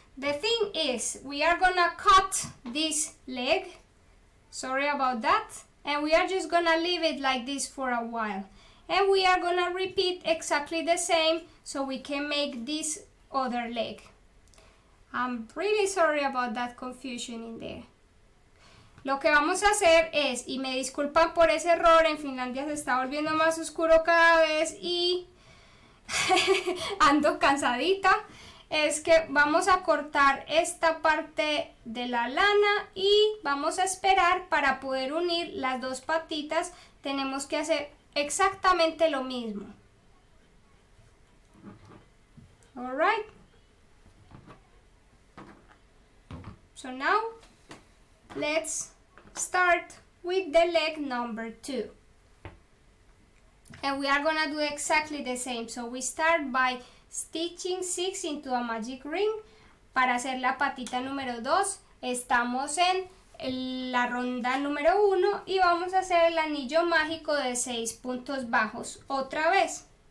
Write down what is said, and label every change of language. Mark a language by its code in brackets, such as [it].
[en] The thing is, we are gonna cut this leg. Sorry about that. And we are just gonna leave it like this for a while. And we are gonna repeat exactly the same, so we can make this other leg. I'm really sorry about that confusion in there. [es] Lo que vamos a hacer es, y me disculpan por ese error, en Finlandia se está volviendo más oscuro cada vez y ando cansadita, es que vamos a cortar esta parte de la lana y vamos a esperar para poder unir las dos patitas. Tenemos que hacer exactamente lo mismo. [en] Alright. So now, let's start with the leg number 2. And we are gonna do exactly the same. So we start by stitching 6 into a magic ring. [es] Para hacer la patita número 2, estamos en la ronda número 1 y vamos a hacer el anillo mágico de 6 puntos bajos otra vez.